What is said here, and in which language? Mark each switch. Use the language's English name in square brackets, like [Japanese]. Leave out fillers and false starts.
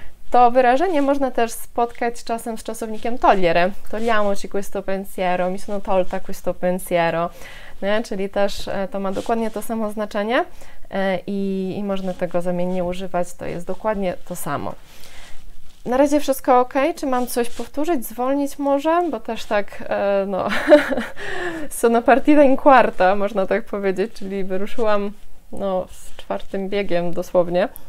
[Polish] To wyrażenie można też spotkać czasem z czasownikiem togliere. [Italian] Togliamo ci questo pensiero, mi sono tolta questo pensiero. [Polish] Nie? Czyli też to ma dokładnie to samo znaczenie i można tego zamiennie używać, to jest dokładnie to samo. Na razie wszystko ok? Czy mam coś powtórzyć, zwolnić może? Bo też tak, no, [Italian] sono partita in quarta, [Polish] można tak powiedzieć, czyli wyruszyłam no, z czwartym biegiem dosłownie.